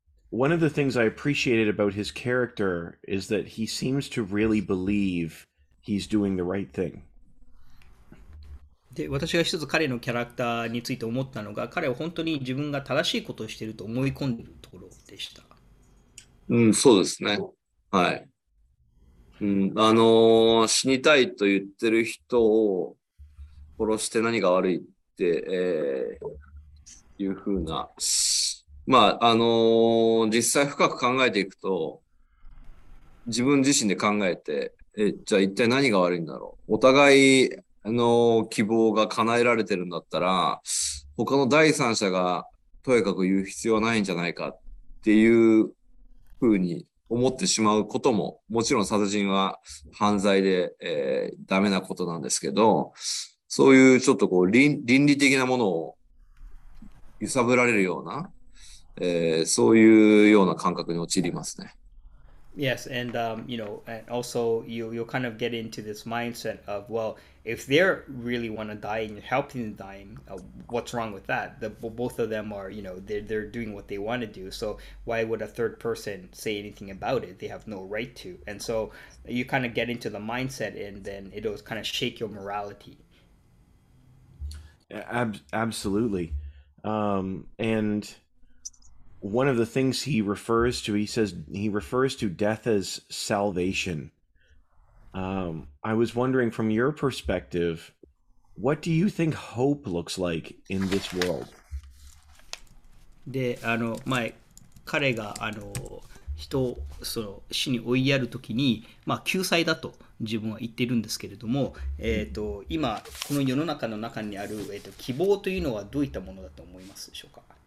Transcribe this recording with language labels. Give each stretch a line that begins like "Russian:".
English: One of the things I appreciated about his character is that he seems to really believe he's doing the right thing.
Japanese: で、私が一つ彼のキャラクターについて思ったのが、彼は本当に自分が正しいことをしていると思い込んでいるところでした。そうですね。はい。死にたいと言ってる人を殺して何が悪いって、いうふうな。まあ、実際深く考えていくと、自分自身で考えて、じゃあ一体何が悪いんだろう。お互い、希望が叶えられてるんだったら、他の第三者がとやかく言う必要はないんじゃないかっていうふうに思ってしまうことも、もちろん殺人は犯罪で、ダメなことなんですけど、そういうちょっとこう、倫理的なものを、揺さぶられるような、そういうような感覚に陥りますね。
English: Yes, and and also you'll kind of get into this mindset of, well, if they're really want to die and you're helping them dying, what's wrong with that? The both of them are, they're doing what they want to do, so why would a third person say anything about it? They have no right to. And so you kind of get into the mindset, and then it'll kind of shake your morality. Absolutely. And one of the things he refers to, he says he refers to death as salvation. I was wondering, from your perspective, what do you think hope looks like in this world?
Japanese: で、彼が人を死に追いやるときに、救済だと自分は言ってるんですけれども、今この世の中の中にある、希望というのはどういったものだと思いますでしょうか。